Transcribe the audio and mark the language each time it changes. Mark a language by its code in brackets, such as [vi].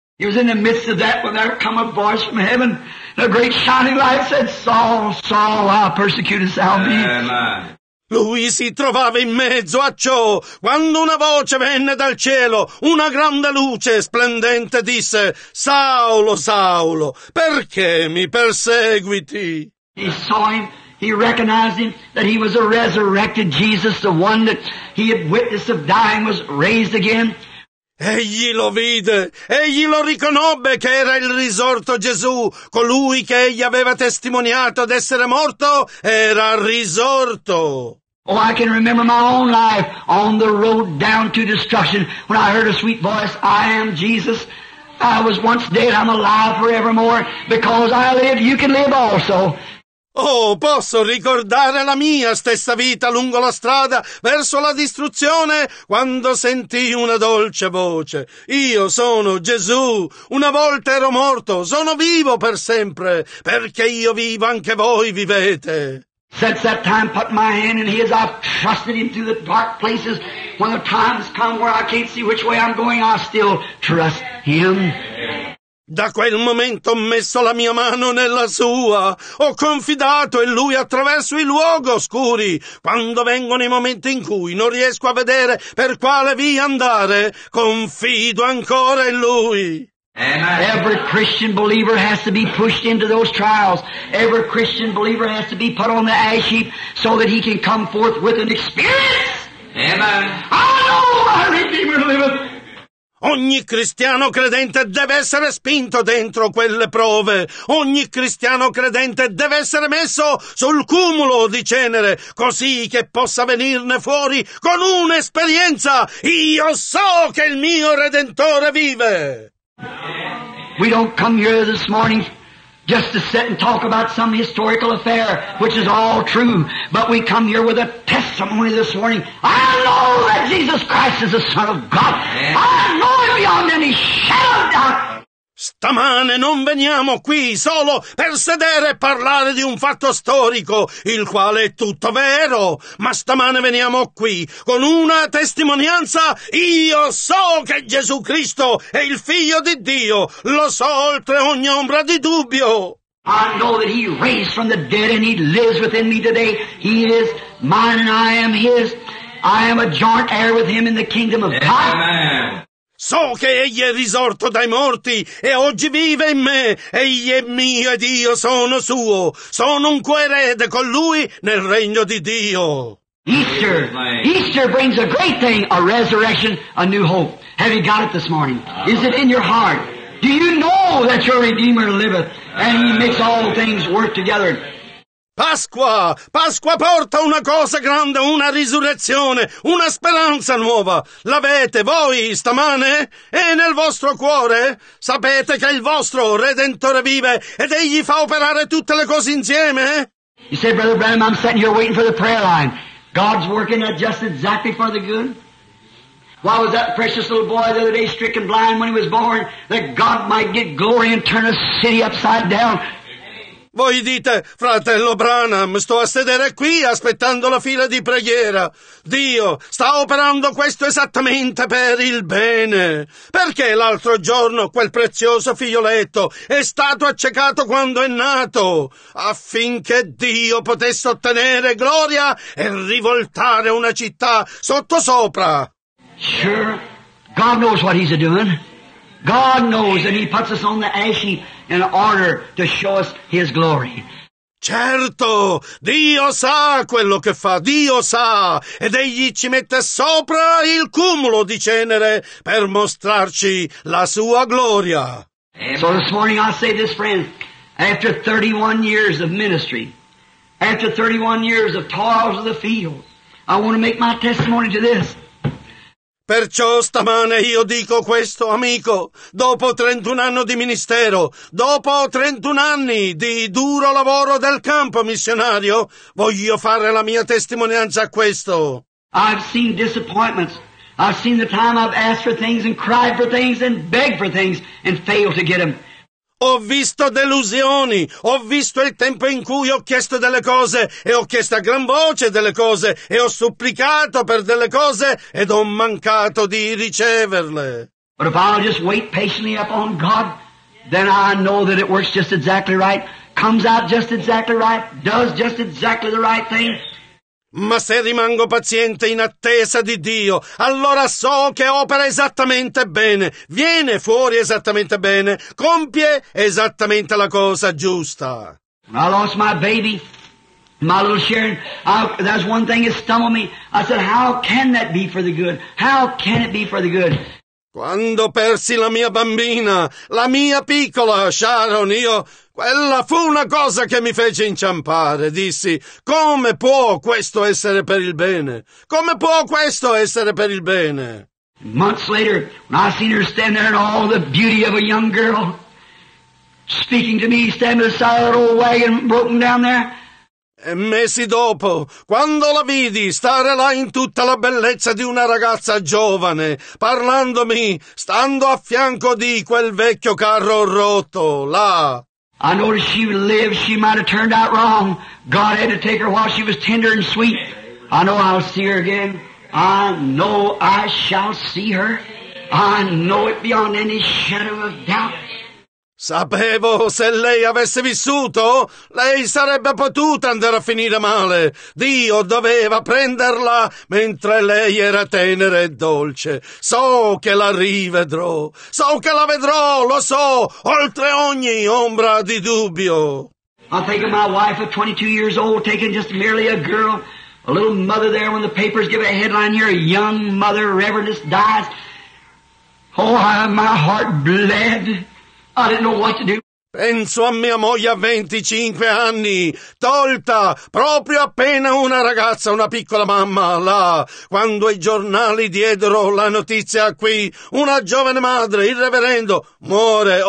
[en] He was in the midst of that when there come a voice from heaven, a great shining light said, Saul, Saul, why persecutest thou me? [it] Lui si trovava in mezzo a ciò, quando una voce venne dal cielo, una grande luce splendente disse, Saulo, Saulo, perché mi perseguiti? [en] He saw him, he recognized him, that he was a resurrected Jesus, the one that he had witnessed of dying was raised again. [it] Egli lo vide, egli lo riconobbe che era il risorto Gesù, colui che egli aveva testimoniato d'essere morto, era risorto. [en] Oh, I can remember my own life on the road down to destruction when I heard a sweet voice, I am Jesus. I was once dead, I'm alive forevermore, because I live, you can live also. [it] Oh, posso ricordare la mia stessa vita lungo la strada verso la distruzione quando sentii una dolce voce. Io sono Gesù. Una volta ero morto, sono vivo per sempre, perché io vivo anche voi vivete. [en] Since that time put my hand in his, I've trusted him through the dark places. When the times come where I can't see which way I'm going, I still trust him. [it] Da quel momento ho messo la mia mano nella sua, ho confidato in lui attraverso i luoghi oscuri. Quando vengono i momenti in cui non riesco a vedere per quale via andare, confido ancora in lui. [en] Every Christian believer has to be pushed into those trials. Every Christian believer has to be put on the ash heap so that he can come forth with an experience. Amen. I know my Redeemer liveth. [it] Ogni cristiano credente deve essere spinto dentro quelle prove. Ogni cristiano credente deve essere messo sul cumulo di cenere, così che possa venirne fuori con un'esperienza. Io so che il mio Redentore vive. [en] We don't come here this morning just to sit and talk about some historical affair, which is all true, but we come here with a testimony this morning. I know that Jesus Christ is the Son of God. I know it beyond any shadow of doubt. [it] Stamane non veniamo qui solo per sedere e parlare di un fatto storico, il quale è tutto vero, ma stamane veniamo qui con una testimonianza. Io so che Gesù Cristo è il Figlio di Dio, lo so oltre ogni ombra di dubbio. [en] I know that he raised from the dead and he lives within me today. He is mine and I am his. I am a joint heir with him in the kingdom of God. Amen. [it] So che egli è risorto dai morti e oggi vive in me. Egli è mio ed io sono suo. Sono un coerede con lui nel regno di Dio. [en] Easter. Easter brings a great thing, a resurrection, a new hope. Have you got it this morning? Is it in your heart? Do you know that your Redeemer liveth and he makes all things work together? [it] Pasqua! Pasqua porta una cosa grande, una risurrezione, una speranza nuova. L'avete voi stamane? E nel vostro cuore? Sapete che il vostro Redentore vive ed egli fa operare tutte le cose insieme? [en] You say, Brother Branham, I'm sitting here waiting for the prayer line. God's working that just exactly for the good. Why was that precious little boy the other day stricken blind when he was born? That God might get glory and turn a city upside down. [it] Voi dite, fratello Branham, sto a sedere qui aspettando la fila di preghiera. Dio sta operando questo esattamente per il bene. Perché l'altro giorno quel prezioso figlioletto è stato accecato quando è nato? Affinché Dio potesse ottenere gloria e rivoltare una città sottosopra. [en] Sure, God knows what he's doing. God knows, and he puts us on the ash heap in order to show us his glory. [it] Certo, Dio sa quello che fa, Dio sa, ed egli ci mette sopra il cumulo di cenere per mostrarci la sua gloria. [en] So this morning I say this, friend, after 31 years of ministry, after 31 years of toils of the field, I want to make my testimony to this. [it] Perciò stamane io dico questo, amico, dopo 31 anni di ministero, dopo 31 anni di duro lavoro del campo missionario, voglio fare la mia testimonianza a questo. [en] I've seen disappointments. I've seen the time I've asked for things and cried for things and begged for things and failed to get them. [it] Ho visto delusioni, ho visto il tempo in cui ho chiesto delle cose e ho chiesto a gran voce delle cose e ho supplicato per delle cose ed ho mancato di riceverle. [en] But if I'll just wait patiently upon God, then I know that it works just exactly right, comes out just exactly right, does just exactly the right thing. [it] Ma se rimango paziente in attesa di Dio, allora so che opera esattamente bene, viene fuori esattamente bene, compie esattamente la cosa giusta. [en] When I lost my baby, my little Sharon, that's one thing that stumbled me. I said, how can that be for the good? How can it be for the good? [it] Quando persi la mia bambina, la mia piccola Sharon, io... Quella fu una cosa che mi fece inciampare. Dissi, come può questo essere per il bene? Come può questo essere per il bene? [en] Months later, when I seen her stand there in all the beauty of a young girl, speaking to me, standing beside that old wagon broken down there, [it] e mesi dopo, quando la vidi stare là in tutta la bellezza di una ragazza giovane, parlandomi, stando a fianco di quel vecchio carro rotto, là. [en] I noticed she would live, she might have turned out wrong. God had to take her while she was tender and sweet. I know I'll see her again. I know I shall see her. I know it beyond any shadow of doubt. [it] Sapevo se lei avesse vissuto, lei sarebbe potuta andare a finire male. Dio doveva prenderla mentre lei era tenera e dolce. So che la rivedrò, so che la vedrò, lo so, oltre ogni ombra di dubbio. [en] I think of my wife of 22 years old, taken just merely a girl, a little mother there when the papers give a headline here, a young mother, reverendess, dies. Oh, my heart bled. I didn't know what to do. [it] Penso a mia moglie a 25 anni, tolta proprio appena una ragazza, una piccola mamma, là, quando i giornali diedero la notizia qui, una giovane madre, il reverendo, muore.